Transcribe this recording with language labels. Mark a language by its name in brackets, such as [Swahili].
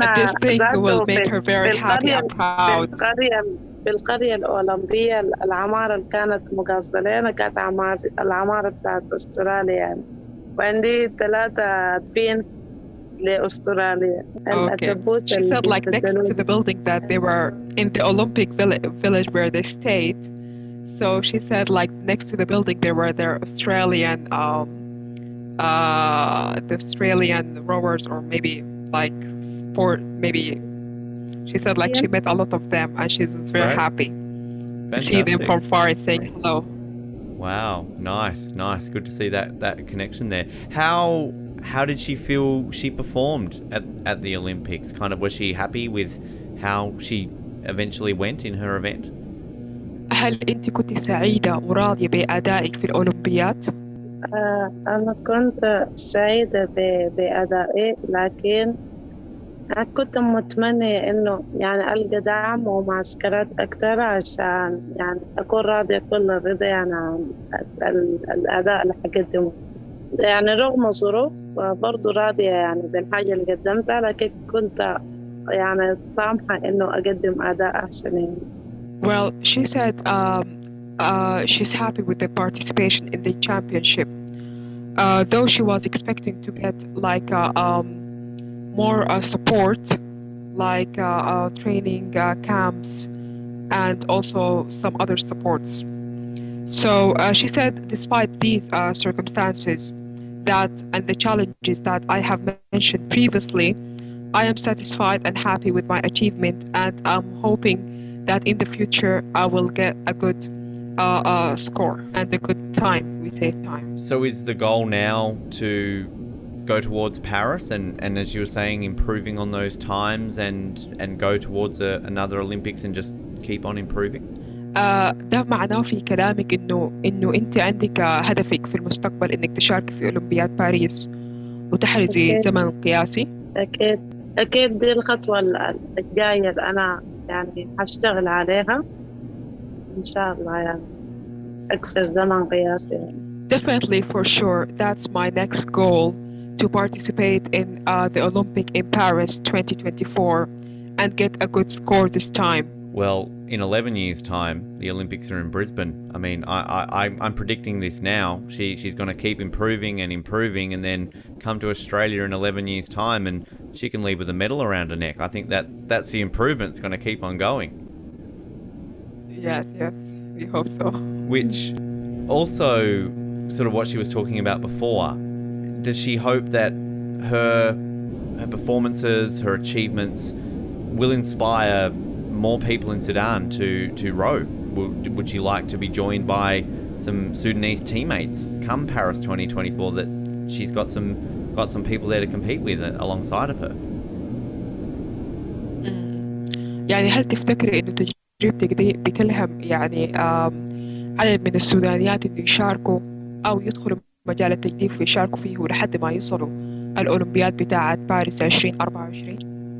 [English] This thing will make her very happy and proud. [Arabic] بالقرية الأولمبية العمارة اللي كانت مقصدة لنا كانت العمارة بتاعت أستراليا. وعندي ثلاثة بين لأستراليا. [English] Okay. She said like next to the building that they were in the Olympic village where they stayed. So she said like next to the building there were their Australian the Australian rowers or maybe like sport maybe. She said like she met a lot of them and she was very happy. Fantastic. To see them from far and saying hello. Wow, nice. Good to see that connection there. How did she feel she performed at the Olympics? Kind of, was she happy with how she eventually went in her event? [Arabic] هل أنت كنت سعيدة وراضية بأدائك في الأولمبيات؟ أنا كنت سعيدة بأدائي، لكن كنت متمنى إنه يعني ألقى دعم ومعسكرات أكثر عشان يعني أكون راضية كل الرضا يعني عن الأداء اللي حقدمه، يعني رغم الظروف برضو راضية يعني بالحاجة اللي قدمتها، لكن كنت يعني طامحة إنه أقدم أداء أحسن. [English] Well, she said she's happy with the participation in the championship, though she was expecting to get like more support, like training camps, and also some other supports. So she said, despite these circumstances that and the challenges that I have mentioned previously, I am satisfied and happy with my achievement, and I'm hoping that in the future I will get a good score and a good time. We say time. So is the goal now to go towards Paris and as you were saying, improving on those times and go towards another Olympics and just keep on improving? [Arabic] ده معناه في كلامك إنه أنت عندك هدفك في المستقبل إنك تشارك في أولمبياد باريس وتحرزي زمن قياسي؟ أكيد دي الخطوة الجاية أنا يعني هشتغل عليها إن شاء الله يعني أكسر زمن قياسي. [English] Definitely for sure. That's my next goal. To participate in the Olympic in Paris 2024 and get a good score this time. Well, in 11 years' time, the Olympics are in Brisbane. I mean, I'm predicting this now. She's going to keep improving and improving and then come to Australia in 11 years' time and she can leave with a medal around her neck. I think that's the improvement that's going to keep on going. Yes, we hope so. Which also sort of what she was talking about before. Does she hope that her performances, her achievements, will inspire more people in Sudan to row? Would she like to be joined by some Sudanese teammates come Paris 2024? That she's got some people there to compete with alongside of her. [Arabic] يعني هل تفتكر إنه تجربتك دي بتلهم يعني عدد من السودانيات اللي يشاركوا أو يدخلوا مجال التجديف ويشاركوا فيه ولحد ما يصلوا الأولمبياد بتاعت باريس 2024؟